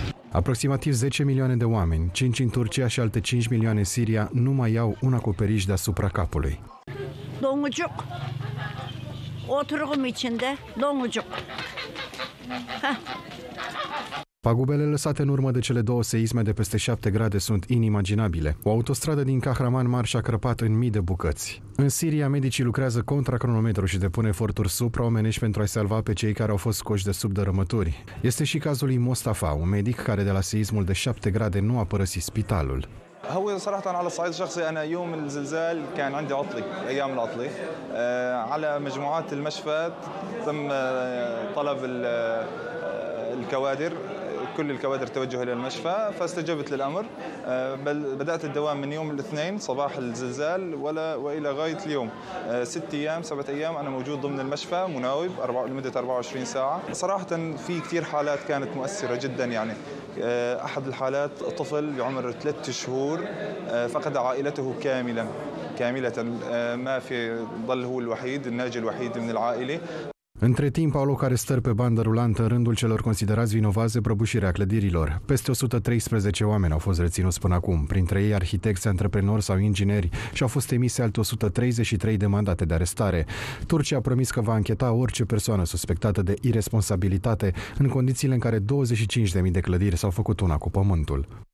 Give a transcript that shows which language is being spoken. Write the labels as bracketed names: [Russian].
[Romanian] Aproximativ 10 milioane de oameni, 5 în Turcia și alte 5 milioane în Siria, nu mai au un acoperiș deasupra capului. Domnucuc. Oturum içinde, domnucuc. Pagubele lăsate în urmă de cele două seisme de peste 7 grade sunt inimaginabile. O autostradă din Kahraman Maraş a crăpat în mii de bucăți. În Siria, medicii lucrează contra cronometru și depun eforturi supraomenești pentru a-i salva pe cei care au fost scoși de sub dărâmături. Este și cazul lui Mustafa, un medic care de la seismul de 7 grade nu a părăsit spitalul. [Arabic] هو صراحة على الصعيد الشخصي أنا يوم الزلزال كان عندي عطلة أيام العطلة على مجموعات المشفى تم طلب الكوادر كل الكوادر توجه إلى المشفى فاستجبت للأمر بل بدأت الدوام من يوم الاثنين صباح الزلزال ولا وإلى غاية اليوم ست أيام سبعة أيام أنا موجود ضمن المشفى مناوب لمدة 24 ساعة صراحة في كثير حالات كانت مؤثرة جدا يعني أحد الحالات طفل بعمر 3 شهور فقد عائلته كاملا كاملة ما في ظل هو الوحيد الناجي الوحيد من العائلة. [Romanian] Între timp au loc arestări pe bandă rulantă în rândul celor considerați vinovați de prăbușirea clădirilor. Peste 113 oameni au fost reținuți până acum, printre ei arhitecți, antreprenori sau ingineri, și au fost emise alte 133 de mandate de arestare. Turcia a promis că va ancheta orice persoană suspectată de irresponsabilitate în condițiile în care 25.000 de clădiri s-au făcut una cu pământul.